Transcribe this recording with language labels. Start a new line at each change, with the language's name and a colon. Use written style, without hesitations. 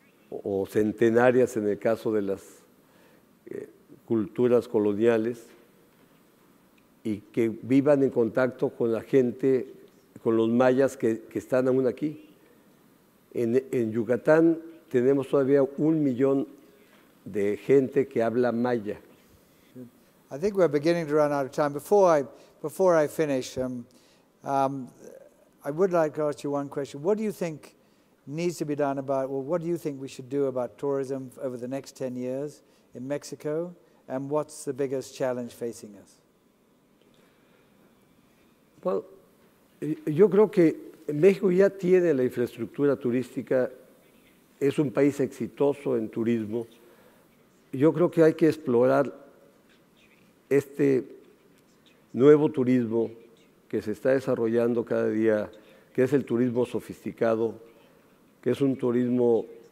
Spanish: o centenarias en el caso de las culturas coloniales, y que vivan en contacto con la gente, con los mayas que están aún aquí. En Yucatán tenemos todavía 1 millón de gente que habla maya.
English: I think we're beginning to run out of time. Before I finish, I would like to ask you one question. What do you think needs to be done about, well, what do you think we should do about tourism over the next 10 years in Mexico, and what's the biggest challenge facing us?
Spanish: Well, yo creo que México ya tiene la infraestructura turística, es un país exitoso en turismo. Yo creo que hay que explorar este nuevo turismo que se está desarrollando cada día, que es el turismo sofisticado, que es un turismo